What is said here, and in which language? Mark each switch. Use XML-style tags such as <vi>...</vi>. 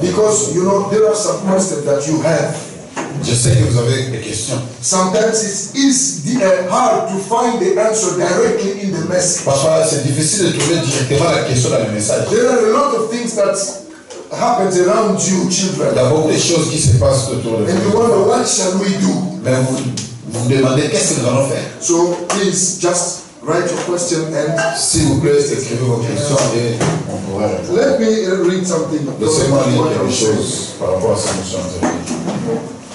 <en>Because you know there are some questions that you have.</en> <fr>Je sais que vous avez des questions.</fr> <en>Sometimes it is hard to find the answer directly in the message.</en> <fr>Parfois c'est difficile de trouver directement la question dans le message.</fr> <en>There are a lot of things that happens around you, children.</en> <fr>Il y a beaucoup de choses qui se passent autour de vous.</fr> <en>And you wonder what shall we do?</en> <fr>Mais vous demandez qu'est-ce que nous allons faire.</fr> <en>So please just write your question and.</en> <fr>S'il vous plaît, écrivez vos questions et on pourra répondre.</fr> <en>Let me read something.</en> <fr>Laissez-moi lire quelque chose par rapport à ce que nous sommes en train de dire.</fr>